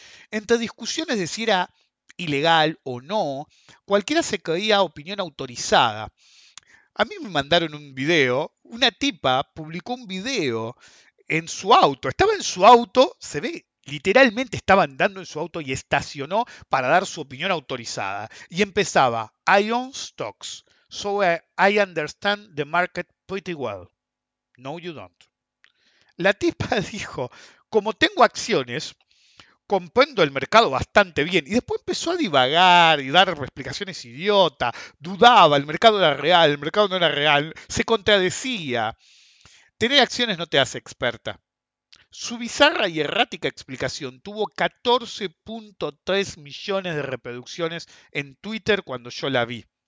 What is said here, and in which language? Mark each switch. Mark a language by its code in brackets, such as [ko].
[es] Entre discusiones de si era ilegal o no, cualquiera se creía opinión autorizada. A mí me mandaron un video, una tipa publicó un video en su auto, estaba en su auto, se ve literalmente estaba andando en su auto y estacionó para dar su opinión autorizada. Y empezaba, [en] I own stocks, so I understand the market pretty well. No, you don't. [es] La tipa dijo, como tengo acciones, comprendo el mercado bastante bien. Y después empezó a divagar y dar explicaciones idiota. Dudaba, el mercado era real, el mercado no era real. Se contradecía. Tener acciones no te hace experta. Su bizarra y errática explicación tuvo 14.3 millones de reproducciones en Twitter cuando yo la vi.